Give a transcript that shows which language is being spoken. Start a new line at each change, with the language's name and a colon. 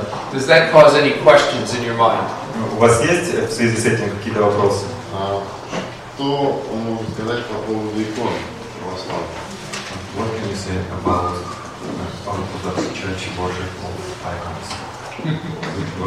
English: Does that cause any questions in your mind?
Russian: У вас есть в связи с этим какие-то вопросы? Что вы можете сказать по поводу икон православных?
English: What can you say about Orthodox Church
Russian: Божьих
English: icons?